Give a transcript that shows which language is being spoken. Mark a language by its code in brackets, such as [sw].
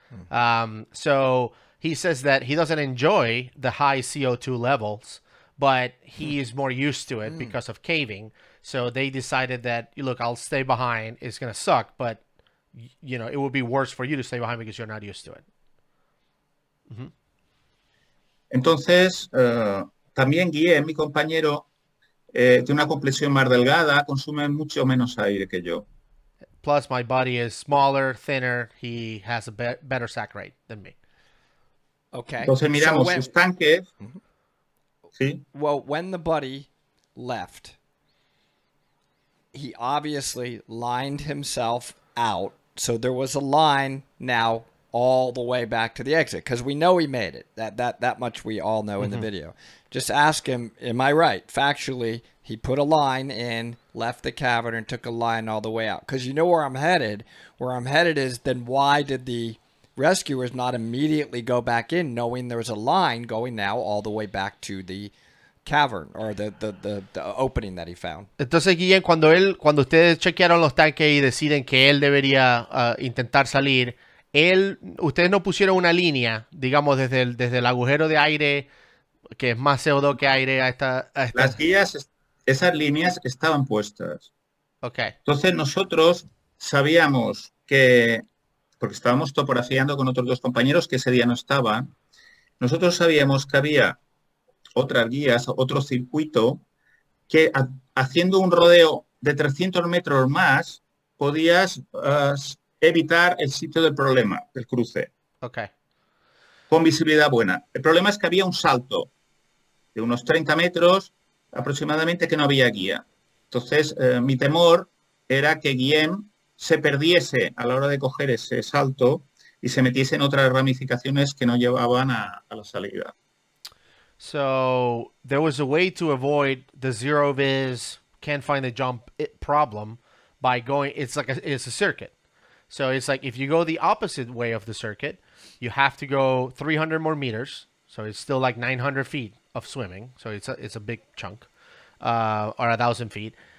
[en] So he says that he doesn't enjoy the high CO2 levels, but he is more used to it because of caving. So they decided that, look, I'll stay behind. It's going to suck, but, you know, it would be worse for you to stay behind because you're not used to it. Mm-hmm. [es] Entonces, también Guillem, mi compañero, tiene una complexión más delgada, consume mucho menos aire que yo. [en] Plus, my body is smaller, thinner. He has a better sac rate than me. Okay. [es] Entonces miramos sus tanques. Sí. [en] Well, when the buddy left, he obviously lined himself out. So there was a line now all the way back to the exit, because we know he made it. That much we all know in the video. Just ask him, am I right? Factually, he put a line in, left the cavern, and took a line all the way out. Because you know where I'm headed. Where I'm headed is, then why did the rescuers not immediately go back in, knowing there was a line going now all the way back to the cavern or the opening that he found. [es] Entonces, Guillén, cuando ustedes chequearon los tanques y deciden que él debería intentar salir, ustedes no pusieron una línea, digamos, desde el agujero de aire, que es más CO2 que aire, a esta... Las guías, esas líneas estaban puestas. Ok. Entonces, nosotros sabíamos que, porque estábamos topografiando con otros dos compañeros que ese día no estaban, nosotros sabíamos que había otras guías, otro circuito, que haciendo un rodeo de 300 metros más, podías evitar el sitio del problema, del cruce. Ok. Con visibilidad buena. El problema es que había un salto de unos 30 metros aproximadamente que no había guía. Entonces, mi temor era que Guillem se perdiese a la hora de coger ese salto y se metiese en otras ramificaciones que no llevaban a la salida. [en] So, there was a way to avoid the zero vis, can't find the jump problem by going, it's a circuit. So, it's like if you go the opposite way of the circuit, you have to go 300 more meters. So, it's still like 900 feet of swimming. So, it's a big chunk or 1,000 feet.